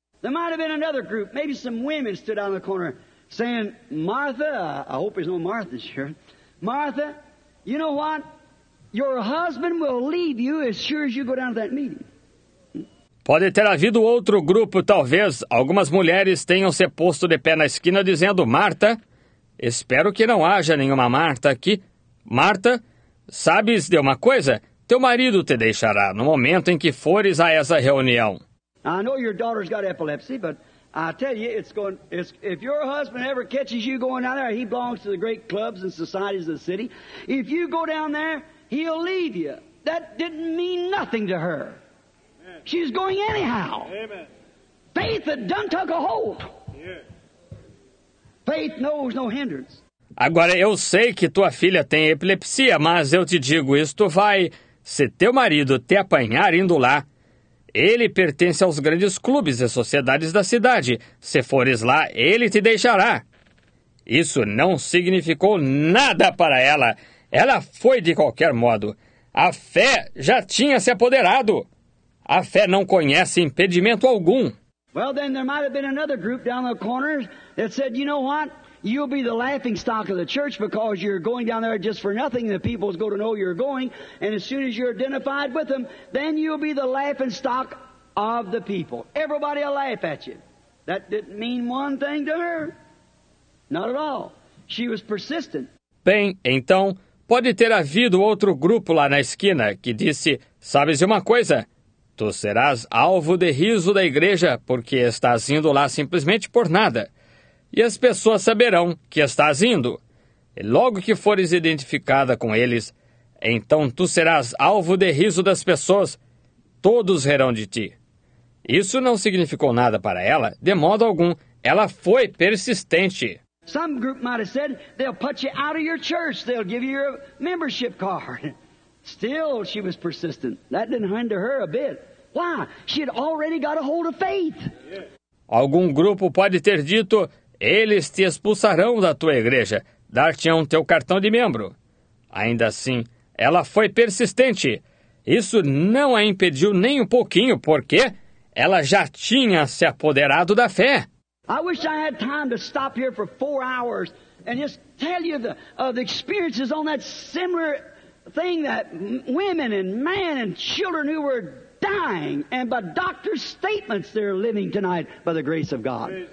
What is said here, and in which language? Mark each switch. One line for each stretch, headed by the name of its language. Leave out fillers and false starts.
English: There might have been another group, maybe some women stood out in the corner, saying, Martha, I hope there's no Martha here. Martha, you know what? Your husband will leave you as sure as you go down to that meeting.
Portuguese: Pode ter havido outro grupo, talvez algumas mulheres tenham se posto de pé na esquina dizendo, Marta, espero que não haja nenhuma Marta aqui. Marta, sabes de uma coisa? Teu marido te deixará no momento em que fores a essa reunião.
English: I know your daughter's got epilepsy, but I tell you, if your husband ever catches you going down there, he belongs to the great clubs and societies of the city. If you go down there, he'll leave you. That didn't mean nothing to her. She's going anyhow. Amen. Faith that done took a hold. Yeah. Faith knows no hindrance.
Portuguese: Agora, eu sei que tua filha tem epilepsia, mas eu te digo, isto vai... Se teu marido te apanhar indo lá, ele pertence aos grandes clubes e sociedades da cidade. Se fores lá, ele te deixará. Isso não significou nada para ela. Ela foi de qualquer modo. A fé já tinha se apoderado. A fé não conhece impedimento algum.
English: Well, then there might have been another group down the corner that said, you know what? You'll be the laughingstock of the church because you're going down there just for nothing. The people's going to know you're going. And as soon as you're identified with them, then you'll be the laughingstock of the people. Everybody will laugh at you. That didn't mean one thing to her. Not at all. She was persistent.
Portuguese: Bem, então, pode ter havido outro grupo lá na esquina que disse, sabes de uma coisa? Tu serás alvo de riso da igreja porque estás indo lá simplesmente por nada. E as pessoas saberão que estás indo. E logo que fores identificada com eles, então tu serás alvo de riso das pessoas. Todos rirão de ti. Isso não significou nada para ela, de modo algum. Ela foi persistente.
English: Some group might have said they'll put you out of your church. They'll give you your membership card. Still, she was persistent. That didn't hinder her a bit. Why? She had already got a hold of faith.
Portuguese: Algum grupo pode ter dito, eles te expulsarão da tua igreja, dar-te-ão teu cartão de membro. Ainda assim, ela foi persistente. Isso não a impediu nem um pouquinho, porque ela já tinha se apoderado da fé.
English: I wish I had time to stop here for 4 hours and just tell you the experiences on that similar thing that women and men and children who were dying, and by doctor's statements, they're living tonight by the grace of God.